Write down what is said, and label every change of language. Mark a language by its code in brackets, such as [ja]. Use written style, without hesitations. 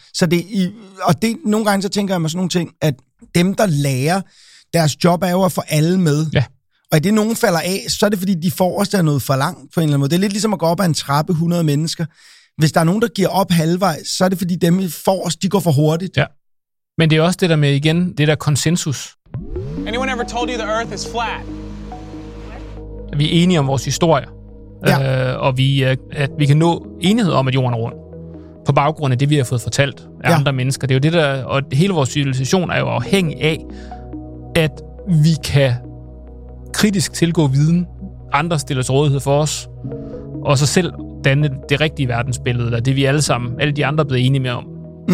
[da] Så det, nogle gange så tænker jeg mig sådan nogle ting, at dem, der lærer, deres job er jo at få alle med. Ja. Og i det, nogen falder af, så er det, fordi de forreste er noget for langt på en eller anden måde. Det er lidt ligesom at gå op ad en trappe 100 mennesker. Hvis der er nogen, der giver op halvvejs, så er det, fordi dem i forreste, de går for hurtigt. Ja. Men det er også det der med, igen, det der konsensus. [en] Anyone ever told you the earth is flat? [da] Er vi enige om vores historie? Ja. At vi kan nå enighed om, at jorden er rund, på baggrund af det, vi har fået fortalt af andre mennesker. Det er jo det der, og hele vores civilisation er jo afhængig af, at vi kan kritisk tilgå viden, andre stiller til rådighed for os, og så selv danne det rigtige verdensbillede, eller det vi alle sammen, alle de andre, er blevet enige med om. Mm.